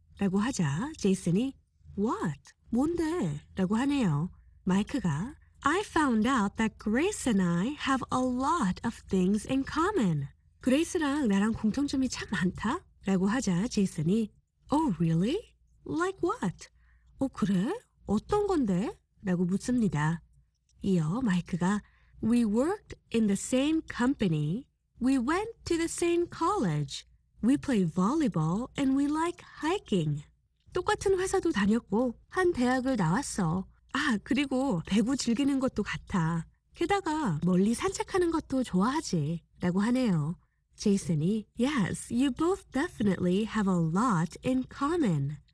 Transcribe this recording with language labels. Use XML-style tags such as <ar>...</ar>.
<ko>라고 하자 제이슨이</ko> <en>What?</en> <ko>뭔데? 라고 하네요. 마이크가</ko> <en>I found out that Grace and I have a lot of things in common.</en> <ko>그레이스랑 나랑 공통점이 참 많다? 라고 하자 제이슨이</ko> <en>Oh, really? Like what?</en> <ko>어, 그래? 어떤 건데? 라고 묻습니다. 이어 마이크가</ko> <en>We worked in the same company. We went to the same college. We play volleyball and we like hiking.</en> <ko>똑같은 회사도 다녔고 한 대학을 나왔어. 아, 그리고 배구 즐기는 것도 같아. 게다가 멀리 산책하는 것도 좋아하지. 라고 하네요. 제이슨이</ko> <en>Yes, you both definitely have a lot in common.</en>